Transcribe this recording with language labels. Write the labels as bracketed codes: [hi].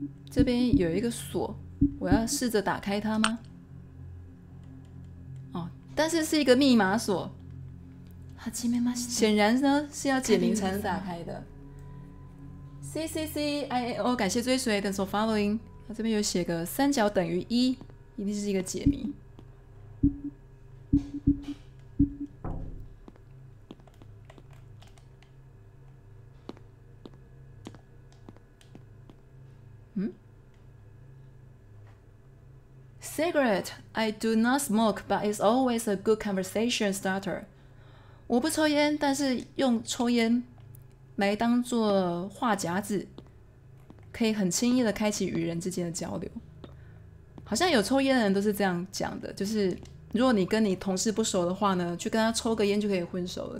[zh] 这边有一个锁，我要试着打开它吗？哦，但是一个密码锁，显然呢是要解谜才能打开的。 CCCIAO 感谢追随 [en] Thanks for following。 [zh] 它这边有写个三角等于一，一定是一个解谜。 [en] Cigarette, I do not smoke, but it's always a good conversation starter. [zh] 我不抽烟，但是用抽烟来当做话匣子，可以很轻易的开启与人之间的交流。好像有抽烟的人都是这样讲的，就是如果你跟你同事不熟的话呢，去跟他抽个烟就可以混熟了。